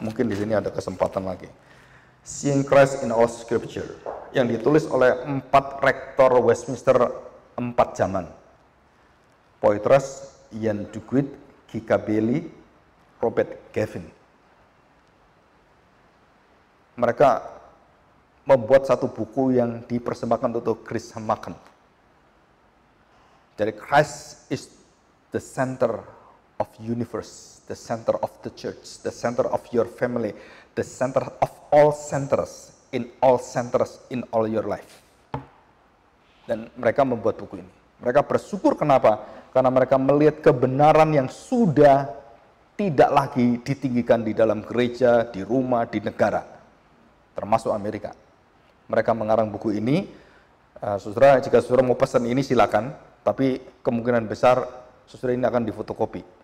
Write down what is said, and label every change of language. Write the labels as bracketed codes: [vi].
[id] Mungkin di sini ada kesempatan lagi. Seeing Christ in All Scripture, yang ditulis oleh 4 rektor Westminster 4 zaman. Poitras, Ian Duguid, Kika Bailey, Robert Gavin. Mereka membuat satu buku yang dipersembahkan untuk Chris Hamaken. [en] Jadi Christ is the center of universe, the center of the church, the center of your family, the center of all centers, in all centers, in all your life. [id] Dan mereka membuat buku ini. Mereka bersyukur kenapa? Karena mereka melihat kebenaran yang sudah tidak lagi ditinggikan di dalam gereja, di rumah, di negara, termasuk Amerika. Mereka mengarang buku ini. Saudara, jika saudara mau pesan ini silakan, tapi kemungkinan besar saudara ini akan difotokopi.